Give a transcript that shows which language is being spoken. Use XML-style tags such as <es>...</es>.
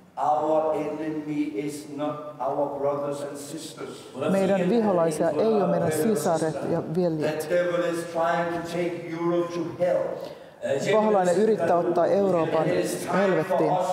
<en>Our enemy is not our brothers and sisters.</en> <fi>Meidän viholaisia ei ole meidän sisaret ja veljet.</fi> <en>The devil is trying to take Europe to hell.</en> <fi>Paholainen yrittää ottaa Euroopan helvettiin.</fi>